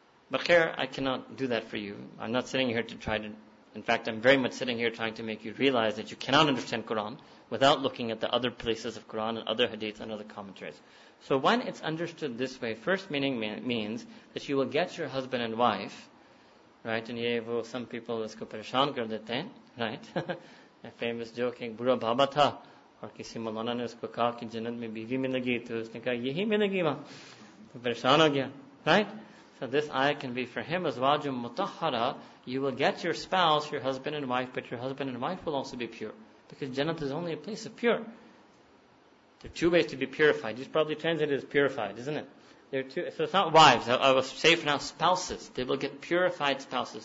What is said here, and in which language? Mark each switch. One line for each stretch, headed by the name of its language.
English: But here, I cannot do that for you. I'm not sitting here to try to, in fact, I'm very much sitting here trying to make you realize that you cannot understand Quran without looking at the other places of Quran and other hadiths and other commentaries. So when it's understood this way, first meaning means that you will get your husband and wife, right? And
Urdu: یہ وہ
English: some people
Urdu: اس کو پریشان کر دیتے ہیں,
English: right? A famous joke,
Urdu: ایک بُرا بابا تھا, اور کسی مولانا نے اس کو کہا کہ جنت میں بیوی ملے گی, تو اس نے کہا یہی ملے گی وہاں, تو پریشان ہو گیا,
English: right? So this ayah can be for him as wajum mutahhara. You will get your spouse, your husband and wife, but your husband and wife will also be pure. Because Jannat is only a place of pure. There are two ways to be purified. You probably translate it as purified, isn't it? There are two. So it's not wives. I will say for now, spouses. They will get purified spouses.